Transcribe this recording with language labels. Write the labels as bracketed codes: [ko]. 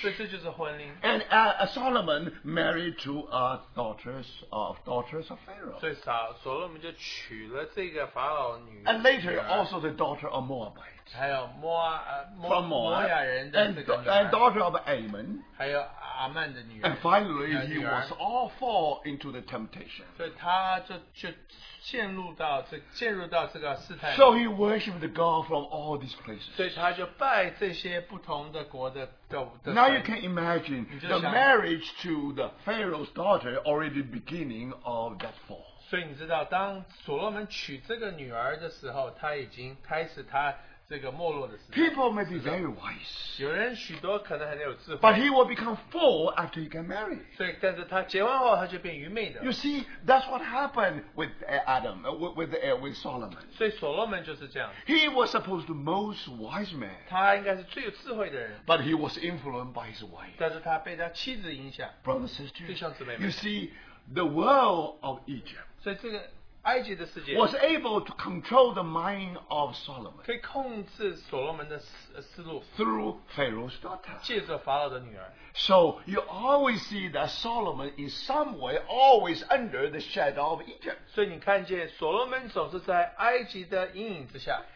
[zh] 所以这就是婚姻。 [en] And Solomon married to daughters of Pharaoh. [zh] 所以所罗门就娶了这个法老女儿。 [en] And later, also the daughter of Moabite. [zh] 还有摩亚人的这个女儿, [en] and daughter of Ammon, [zh] 还有阿曼的女儿, [en] and finally he was all fall into the temptation. [zh] 所以他就陷入到这个试探。 [en] So he worshipped the God from all these places. [zh] 所以他就拜这些不同的国的。 [en] Now you can imagine the marriage to the Pharaoh's daughter already beginning of that fall. [zh] 所以你知道当所罗门娶这个女儿的时候, 他已经开始他 [en] People may be very wise. [zh] 有人许多可能很有智慧, [en] but he will become full after he get married. [zh] 所以但是他结婚后他就变愚昧的。 [en] You see, that's what happened with Adam, with Solomon. [zh] 所以所罗门就是这样。 [en] He was supposed to be the most wise man. [zh] 他应该是最有智慧的人。 [en] But he was influenced by his wife. [zh] 但是他被他妻子影响。 [en] Brothers and sisters, [zh] 弟兄姊妹们, [en] you see, the world of Egypt. [zh] 所以这个 [en] was able to control the mind of Solomon [zh] 可以控制所罗门的思路, [en] through Pharaoh's daughter. [zh] 借着法老的女儿, [en] so you always see that Solomon is some way always under the shadow of Egypt. [zh] 所以你看见所罗门总是在埃及的阴影之下。